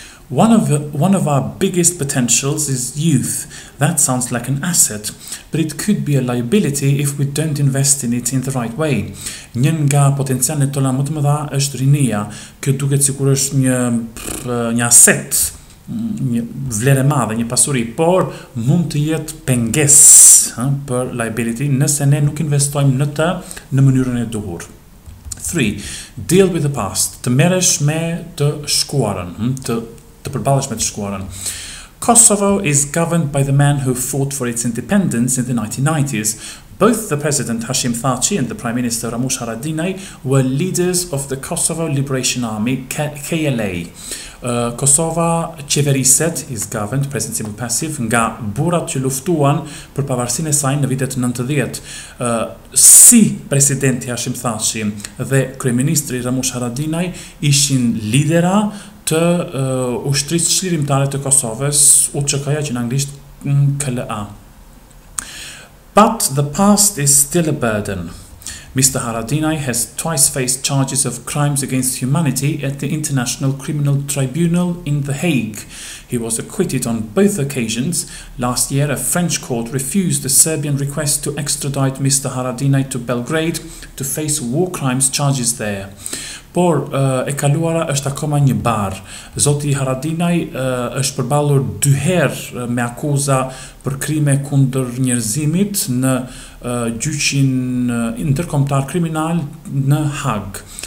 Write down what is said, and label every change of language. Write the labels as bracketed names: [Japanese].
[English] One of our biggest potentials is youth. That sounds like an asset, but it could be a liability if we don't invest in it in the right way. [Albanian] Një nga potencialet tona më të mëdha është rinia. Kjo duket sikur është një aset, një vlerë e madhe, një pasuri, por mund të jetë pengesë për liability nëse ne nuk investojmë në të në mënyrën e duhur. 3. [English] Deal with the past. [Albanian] Të merresh me të shkuarën, të përballesh me të shkuarën. [English] Kosovo is governed by the man who fought for its independence in the 1990s. Both the President Hashim Thaçi and the Prime Minister Ramush Haradinaj were leaders of the Kosovo Liberation Army, KLA. [Albanian] Kosova qeveriset [English] is governed, present simple passive, [Albanian] nga burat që luftuan për pavarësinë e saj në vitet 90. Si Presidenti Hashim Thaçi dhe Kryeministri Ramush Haradinaj ishin lidera të ushtrisë çlirimtare të Kosovës, UÇK-ja që në anglisht KLA. [English] But the past is still a burden. Mr. Haradinaj has twice faced charges of crimes against humanity at the International Criminal Tribunal in The Hague. He was acquitted on both occasions. Last year, a French court refused the Serbian request to extradite Mr. Haradinaj to Belgrade to face war crimes charges there. [Albanian] Por, e kaluara është akoma një barë. Zoti Haradinaj është përballur dyherë me akuza për krime kundër njerëzimit në gjyqin ndërkombëtar kriminal në Hagë.